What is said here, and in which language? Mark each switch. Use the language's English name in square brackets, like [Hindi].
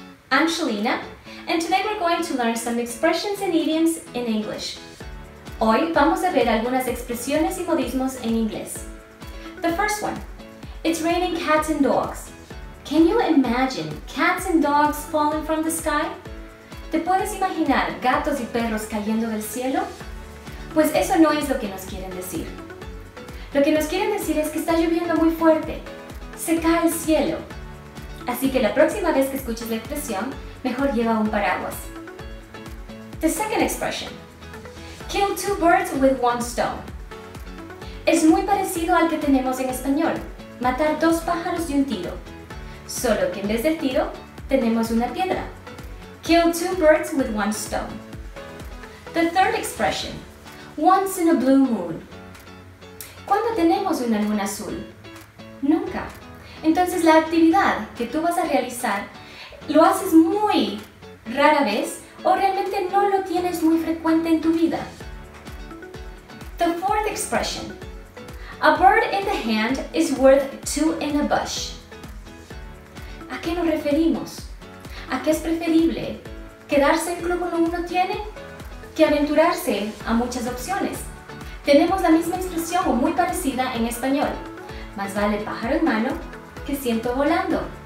[English] I'm Shalina, and today we're going to learn some expressions and idioms in English. [Spanish] Hoy vamos a ver algunas expresiones y modismos en inglés. [English] The first one, it's raining cats and dogs. Can you imagine cats and dogs falling from the sky? [Spanish] ¿Te puedes imaginar gatos y perros cayendo del cielo? Pues eso no es lo que nos quieren decir. Lo que nos quieren decir es que está lloviendo muy fuerte. Se cae el cielo. Así que la próxima vez que escuches la expresión, mejor lleva un paraguas. [English] The second expression. Kill two birds with one stone. [Spanish] Es muy parecido al que tenemos en español. Matar dos pájaros de un tiro. Solo que en vez del tiro, tenemos una piedra. [English] Kill two birds with one stone. The third expression. Once in a blue moon. [Spanish] ¿Cuándo tenemos una luna azul? Nunca. Entonces, la actividad que tú vas a realizar lo haces muy rara vez o realmente no lo tienes muy frecuente en tu vida. [English] The fourth expression. A bird in the hand is worth two in a bush. [Spanish] ¿A qué nos referimos? ¿A qué es preferible quedarse en lo que uno tiene que aventurarse a muchas opciones? Tenemos la misma expresión o muy parecida en español. Más vale pájaro en mano que siento volando.